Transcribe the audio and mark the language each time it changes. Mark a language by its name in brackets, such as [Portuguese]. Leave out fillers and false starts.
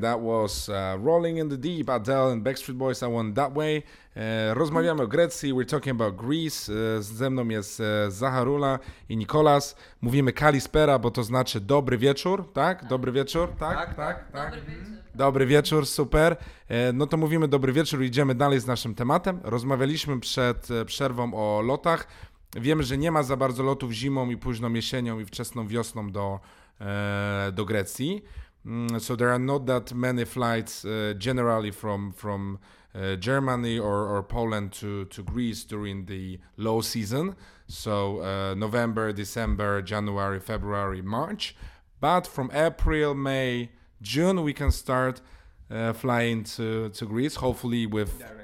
[English] That was Rolling in the Deep, Adele and Backstreet Boys, I Want That Way. [Polish] Rozmawiamy o Grecji, [English] we're talking about Greece. [Polish] Ze mną jest Zacharoula i Nikolas. Mówimy kalispera, bo to znaczy dobry wieczór, tak? Dobry wieczór, tak? Tak, tak, tak. Dobry wieczór, super. No to mówimy dobry wieczór i idziemy dalej z naszym tematem. Rozmawialiśmy przed przerwą o lotach. Wiemy, że nie ma za bardzo lotów zimą i późną jesienią i wczesną wiosną do Grecji. [English] So there are not that many flights generally from Germany or Poland to Greece during the low season. So November, December, January, February, March. But from April, May, June, we can start flying to Greece, hopefully with